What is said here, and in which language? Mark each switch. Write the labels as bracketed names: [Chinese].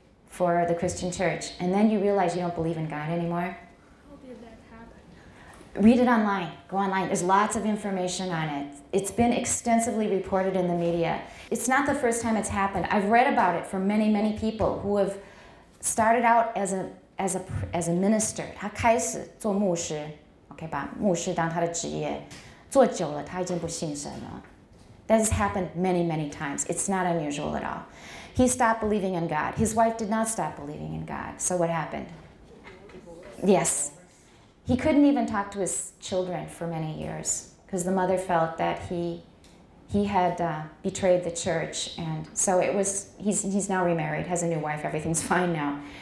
[English] for the Christian church, and then you realize you don't believe in God anymore? How did that happen? Read it online. Go online. There's lots of information on it. It's been extensively reported in the media. It's not the first time it's happened. I've read about it for many, many people who have started out as a minister. [Chinese] 他开始做牧师 ，OK， 把牧师当他的职业，做久了他已经不信神了。 [English] That has happened many, many times. It's not unusual at all. He stopped believing in God. His wife did not stop believing in God. So what happened? Yes. He couldn't even talk to his children for many years because the mother felt that he had betrayed the church. And so it was, he's now remarried, has a new wife, everything's fine now.